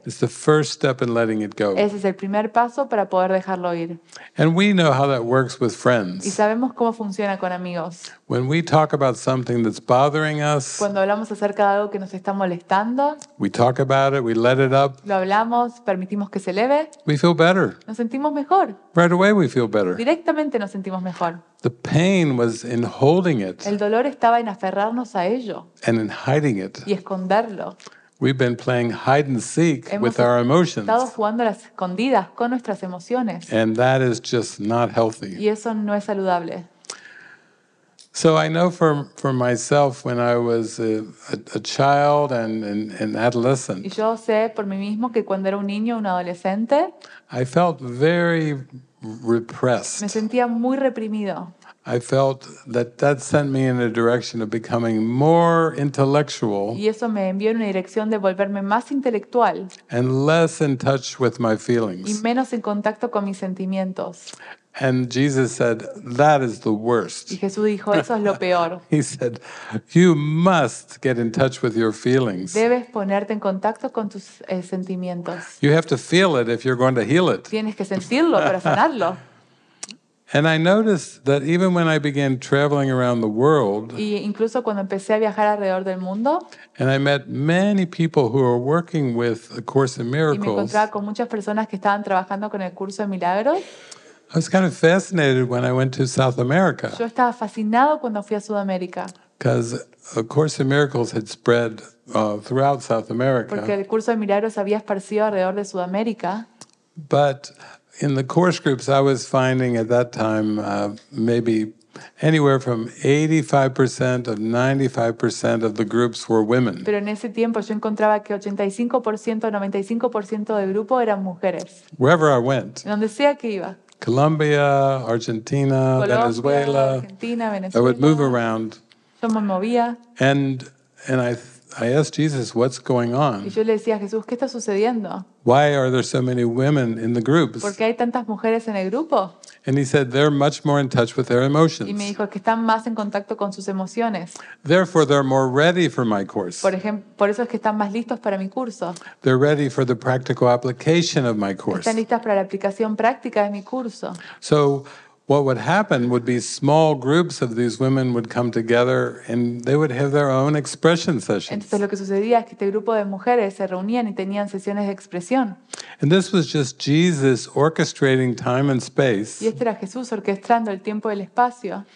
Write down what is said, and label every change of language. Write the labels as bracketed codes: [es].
[en] it's the first step in letting it go. [es] Ese es el primer paso para poder dejarlo ir. [en] And we know how that works with friends. [es] Y sabemos cómo funciona con amigos. [en] When we talk about something that's bothering us, [es] cuando hablamos acerca de algo que nos está molestando, [en] we talk about it. we let it up. [es] Lo hablamos, permitimos que se eleve. [en] We feel better. [es] Nos sentimos mejor. [en] Right away we feel better. [es] Directamente nos sentimos mejor. [en] The pain was in holding it. [es] El dolor estaba en aferrarnos a ello. [en] And in hiding it. [es] Y esconderlo. [en] We've been playing hide and seek with our emotions. [es] Hemos estado jugando a las escondidas con nuestras emociones. [en] And that is just not healthy. [es] Y eso no es saludable. [en] So I know for myself when I was a child and an adolescent. [es] Y yo sé por mí mismo que cuando era un niño, un adolescente. [en] I felt very repressed. [es] Me sentía muy reprimido. [en] I felt that sent me in a direction of becoming more intellectual. [es] Y eso me envió en una dirección de volverme más intelectual. [en] And less in touch with my feelings. [es] Y menos en contacto con mis sentimientos. [en] And Jesus said, "That is the worst." [es] Y Jesús dijo, "Eso es lo peor." [en] He said, "You must get in touch with your feelings." [es] Debes ponerte en contacto con tus sentimientos. [en] You have to feel it if you're going to heal it. [es] Tienes que sentirlo para sanarlo. [en] And I noticed that even when I began traveling around the world, [es] y incluso cuando empecé a viajar alrededor del mundo, [en] and I met many people who are working with A Course in Miracles, [es] y me encontraba con muchas personas que estaban trabajando con el curso de milagros. [en] I was kind of fascinated when I went to South America. [es] Yo estaba fascinado cuando fui a Sudamérica. [en] Because A Course in Miracles had spread throughout South America. [es] Porque el curso de milagros había esparcido alrededor de Sudamérica. [en] But in the course groups, I was finding at that time maybe anywhere from 85% to 95% of the groups were women. [es] Pero en ese tiempo yo encontraba que 85% o 95% del grupo eran mujeres. [en] Wherever I went. [es] Donde sea que iba. [en] Colombia, Argentina, Venezuela. [es] Argentina, Venezuela. [en] I would move around. [es] Yo me movía. [en] And I asked Jesus, "What's going on?" [es] Y yo le decía a Jesús, ¿qué está sucediendo? [en] Why are there so many women in the groups? [es] ¿Por qué hay tantas mujeres en el grupo? [en] And he said, "They're much more in touch with their emotions." [es] Y me dijo que están más en contacto con sus emociones. [en] Therefore, they're more ready for my course. [es] Por eso es que están más listos para mi curso. [en] They're ready for the practical application of my course. [es] Están listas para la aplicación práctica de mi curso. [en] So what would happen would be small groups of these women would come together and they would have their own expression sessions. [es] Entonces lo que sucedía es que este grupo de mujeres se reunían y tenían sesiones de expresión. [en] And this was just Jesus orchestrating time and space. [es] Y este era Jesús orquestando el tiempo y el espacio.